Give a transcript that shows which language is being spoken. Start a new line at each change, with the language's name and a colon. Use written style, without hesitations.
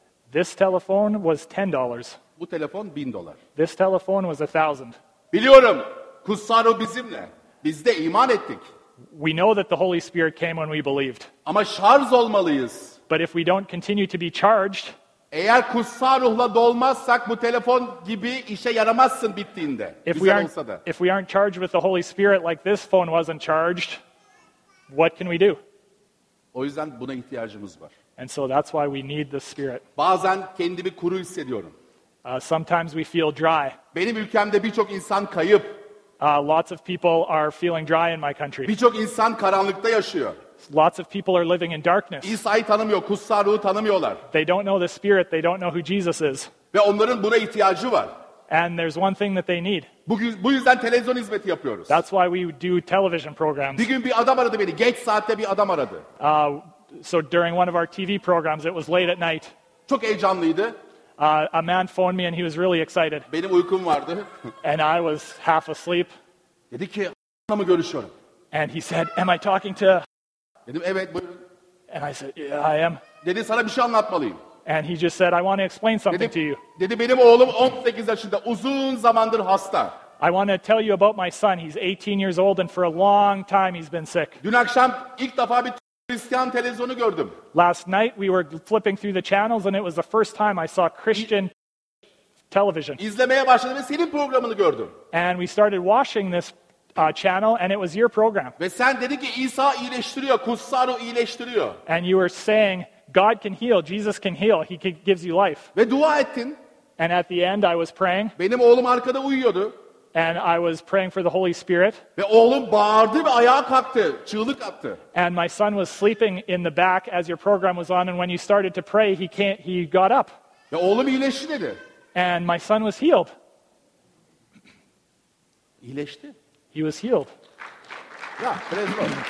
English: This telephone was $10.
Turkish: Bu telefon $1,000.
English: This telephone was $1,000.
Turkish: Biliyorum. Kutsal Ruh bizimle. Biz de iman ettik.
English: We know that the Holy Spirit came when we believed.
Turkish: Ama şarj olmalıyız.
English: But if we don't continue to be charged,
Turkish: eğer Kutsal Ruh'la dolmazsak bu telefon gibi işe yaramazsın bittiğinde.
English: If we aren't charged with the Holy Spirit like this phone wasn't charged, what can we do?
Turkish: O yüzden buna ihtiyacımız var.
English: And so that's why we need the Spirit.
Turkish: Bazen kendimi kuru hissediyorum.
English: Sometimes we feel dry.
Turkish: Benim ülkemde birçok insan kayıp.
English: Lots of people are feeling dry in my country.
Turkish: Birçok insan karanlıkta yaşıyor.
English: Lots of people are living in darkness.
Turkish: İsa'yı tanımıyor, Kutsal Ruh'u tanımıyorlar.
English: They don't know the Spirit, they don't know who Jesus is.
Turkish: Ve onların buna ihtiyacı var.
English: And there's one thing that they need.
Turkish: Bu yüzden televizyon hizmeti yapıyoruz.
English: That's why we do television programs.
Turkish: Bir gün bir adam aradı beni, geç saatte bir adam aradı.
English: So during one of our TV programs, it was late at night.
Turkish: Çok heyecanlıydı.
English: A man phoned me and he was really excited.
Turkish: Benim uykum vardı.
English: And I was half asleep.
Turkish: Dedi ki, "Ana mı görüşüyorum?"
English: And he said, "Am I talking to?"
Turkish: Dedim, "Evet, buyurun."
English: And I said, "Yeah, I am."
Turkish: Dedi, "Sana bir şey anlatmalıyım."
English: And he just said, "I want to explain something
Turkish: dedi,
English: to you."
Turkish: Dedi, "Benim oğlum 18 yaşında, uzun zamandır hasta."
English: I want to tell you about my son. He's 18 years old and for a long time he's been sick.
Turkish: Dün akşam ilk defa bir Hristiyan televizyonu gördüm.
English: Last night we were flipping through the channels and it was the first time I saw Christian television.
Turkish: İzlemeye başladım ve senin programını gördüm.
English: And we started watching this channel and it was your program.
Turkish: Ve sen dedin ki İsa iyileştiriyor, Kutsal Ruh iyileştiriyor.
English: And you were saying God can heal, Jesus can heal, he gives you life.
Turkish: Ve dua ettin.
English: And at the end I was praying.
Turkish: Benim oğlum arkada uyuyordu.
English: And I was praying for the Holy Spirit.
Turkish: Ve oğlum bağırdı ve ayağa kalktı, çığlık attı.
English: And my son was sleeping in the back as your program was on, and when you started to pray, he got up.
Turkish: Ve oğlum iyileşti dedi.
English: And my son was healed.
Turkish: İyileşti.
English: He was healed. Ya, prezbo.